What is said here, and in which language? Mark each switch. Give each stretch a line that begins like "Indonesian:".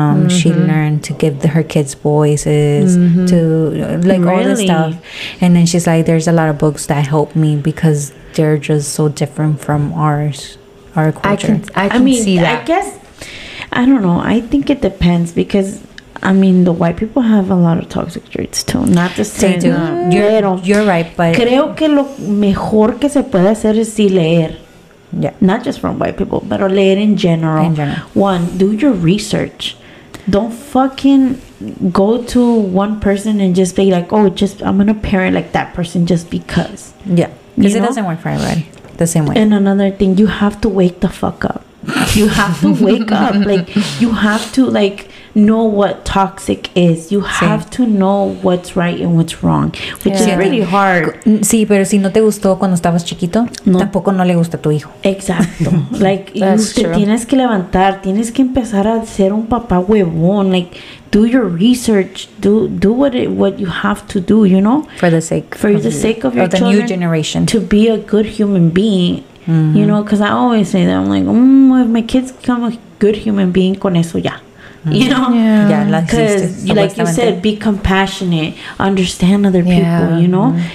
English: She learned to give her kids voices, to like all this stuff. And then she's like, "There's a lot of books that help me because they're just so different from our culture." I can see that. I guess, I don't know. I think it depends because, I mean, the white people have a lot of toxic traits too. Not to say they do. You're right, but
Spanish: creo que lo mejor que se puede hacer es sí leer.
English: Yeah. Not just from white people, but
Spanish: leer
English: in general. In general. One, do your research. Don't fucking go to one person and just be like, "Oh, just I'm gonna parent like that person just because." Yeah. Because it doesn't work for everybody the same way. And another thing, you have to wake the fuck up. You have to wake up. Like, you have to, like, know what toxic is. You have to know what's right and what's wrong, which is really hard.
Spanish: Sí, pero si no te gustó cuando estabas chiquito, tampoco no le gusta a tu hijo. Exacto.
English: Like,
Spanish: te tienes que levantar, tienes que empezar a ser un papá huevón.
English: Like, do your research, do what you have to do, you know, for the sake of your children, new generation, to be a good human being. You know, because I always say that, I'm like, if my kids become a good human being,
Spanish: con eso ya.
English: you know? Because, like you said, be compassionate, understand other people, you know?